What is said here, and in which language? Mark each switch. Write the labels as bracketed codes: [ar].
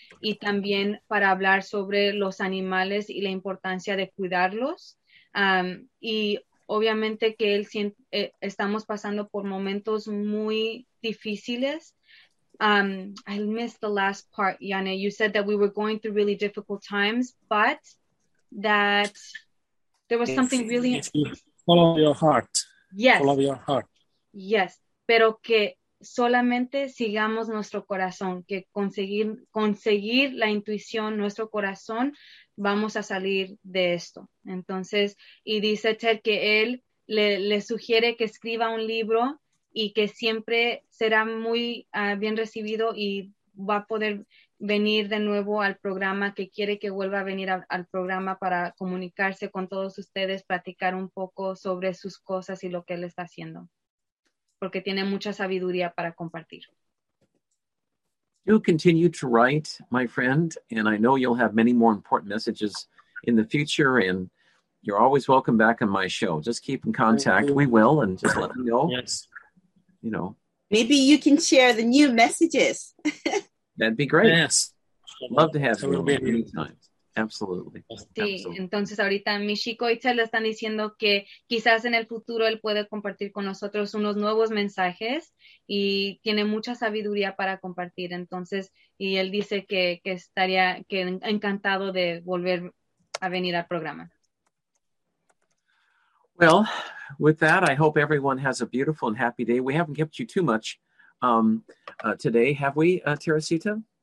[es] Y también para hablar sobre los animales y la importancia de cuidarlos. Y obviamente que él siente, estamos pasando por momentos muy difíciles. [en] I missed the last part, Yane. You said that we were going through really difficult times, but that there was something really... Follow your heart. Yes. Follow your heart. Yes. [es] pero que solamente sigamos nuestro corazón, que conseguir la intuición, nuestro corazón, vamos a salir de esto. Entonces, y dice Ted que él le sugiere que escriba un libro y que siempre será muy bien recibido y va a poder venir de nuevo al programa, que quiere que vuelva a venir al programa para comunicarse con todos ustedes, platicar un poco sobre sus cosas y lo que él está haciendo, porque tiene mucha sabiduría para compartir. [en] Do continue to write, my friend, and I know you'll have many more important messages in the future, and you're always welcome back on my show. Just keep in contact. We will, and just let me know. Yes. You know. Maybe you can share the new messages. That'd be great. Yes. Love to have you many times. Absolutely. Sí, absolutely. [es] Entonces ahorita mi chico y Chel le están diciendo que quizás en el futuro él puede compartir con nosotros unos nuevos mensajes y tiene mucha sabiduría para compartir. Entonces, y él dice que estaría que encantado de volver a venir al programa. [en] Well, with that, I hope everyone has a beautiful and happy day. We haven't kept you too much today, have we, Teresita?